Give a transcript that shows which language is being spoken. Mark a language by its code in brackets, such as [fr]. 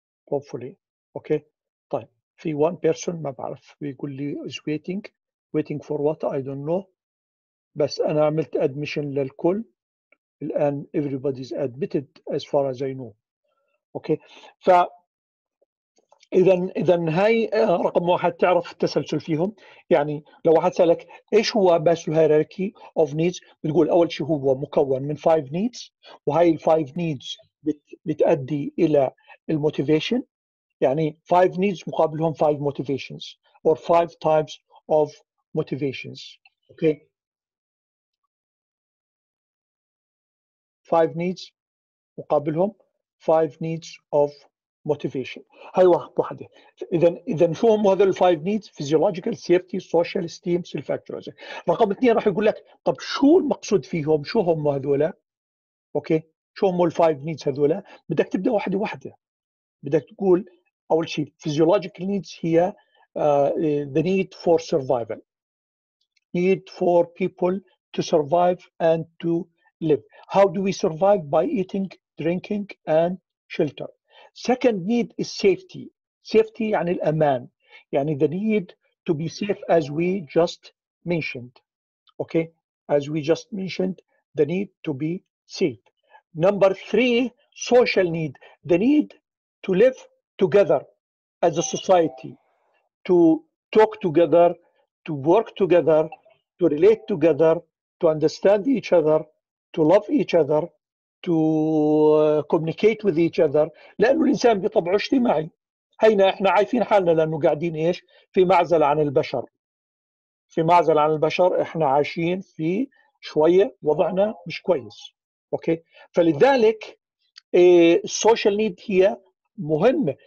[en] Hopefully, okay. [ar] طيب في [en] one person [ar] ما بعرف بيقول لي [en] is waiting for what I don't know. [ar] بس أنا عملت admission للكل. [en] الآن everybody is admitted as far as I know. Okay. [ar] فإذا هاي رقم واحد تعرف التسلسل فيهم. يعني لو واحد سألك إيش هو Maslow hierarchy of needs بتقول أول شيء هو مكون من five needs وهاي five needs بتأدي إلى الموتيفيشن. يعني 5 needs مقابلهم [en] 5 motivations or 5 types of motivations. Okay. Five needs. مقابلهم. Five needs of motivation. [ar] هاي واحد واحدة. إذن شو هم هذول five needs? [en] Physiological, safety, social esteem, self-actualization. [ar] رقم اثنين راح يقول لك طب شو المقصود فيهم؟ شو هم هذولا؟ أوكي. شو هم five needs هذولا؟ بدك تبدأ واحدة واحدة. بدك تقول أول شيء [en] physiological needs هي the need for survival. Need for people to survive and to live. How do we survive? By eating, drinking, and shelter. Second need is safety. [ar] Safety يعني الأمان. [en] يعني the need to be safe as we just mentioned. Okay? As we just mentioned, the need to be safe. Number three, social need. The need to live together as a society. To talk together, to work together, to relate together, to understand each other, to love each other, to communicate with each other. [ar] لأنه الإنسان بطبعه اجتماعي. هينا إحنا عايفين حالنا لأنه قاعدين إيش في معزل عن البشر. في معزل عن البشر إحنا عايشين في شوية وضعنا مش كويس. أوكي. فلذلك social need هي مهمة.